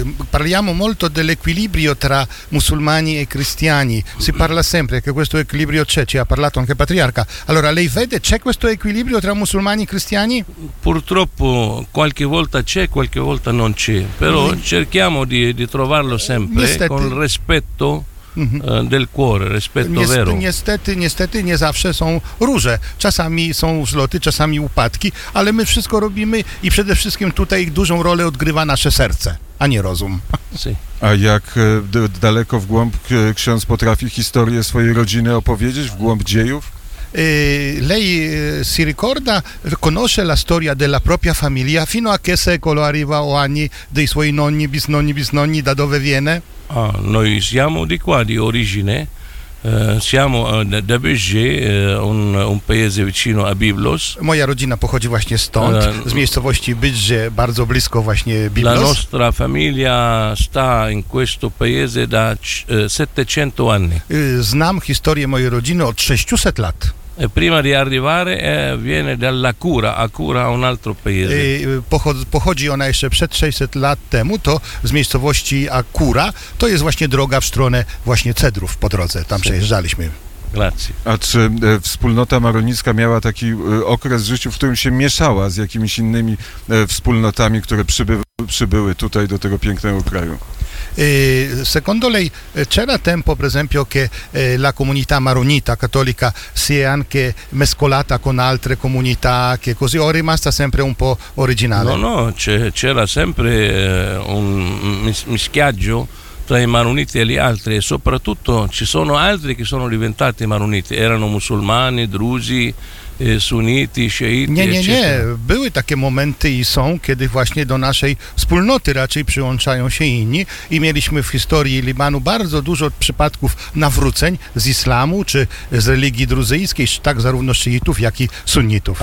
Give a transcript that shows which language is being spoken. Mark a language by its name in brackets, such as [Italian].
[Italian] Parliamo molto dell'equilibrio tra musulmani e cristiani, si parla sempre che questo equilibrio c'è, ci ha parlato anche Patriarca. Allora lei vede, c'è questo equilibrio tra musulmani e cristiani? Purtroppo qualche volta c'è, qualche volta non c'è, però cerchiamo di trovarlo sempre con rispetto. Del cuore, rispetto [Polish] niestety, [Italian] vero. [Polish] Niestety, nie zawsze są róże. Czasami są wzloty, czasami upadki, ale my wszystko robimy i przede wszystkim tutaj dużą rolę odgrywa nasze serce, a nie rozum. [Italian] Si. [Polish] A jak daleko w głąb ksiądz potrafi historię swojej rodziny opowiedzieć, w głąb dziejów? [Italian] Lei si ricorda, conosce la storia della propria famiglia, fino a che secolo arriva o anni dei suoi nonni, bisnonni, bisnonni, da dove viene? Ah, noi siamo di qua, di origine, siamo da Beggé, un paese vicino a Biblos. [Polish] Moja rodzina pochodzi właśnie stąd, z miejscowości Beggé, bardzo blisko właśnie Biblos. [Italian] La nostra famiglia sta in questo paese da 700 anni. [Polish] Znam historię mojej rodziny od 600 lat. [Italian] E prima di arrivare viene dalla cura, a cura un altro paese. [Polish] Pochodzi ona jeszcze przed 600 lat temu, to z miejscowości Akura, to jest właśnie droga w stronę właśnie Cedrów po drodze, tam przejeżdżaliśmy. [Italian] Grazie. [Polish] A czy wspólnota maronicka miała taki okres w życiu, w którym się mieszała z jakimiś innymi wspólnotami, które przybyły tutaj do tego pięknego kraju? [Italian] Secondo lei c'era tempo per esempio che la comunità maronita cattolica si è anche mescolata con altre comunità che così o è rimasta sempre un po' originale? No, c'era sempre un mischiaggio tra i maroniti e gli altri e soprattutto ci sono altri che sono diventati maroniti, erano musulmani, drusi. Sunniti, sciiti, [Polish] nie. Były takie momenty i są, kiedy właśnie do naszej wspólnoty raczej przyłączają się inni i mieliśmy w historii Libanu bardzo dużo przypadków nawróceń z islamu czy z religii druzyjskiej, tak zarówno szyitów, jak i sunnitów.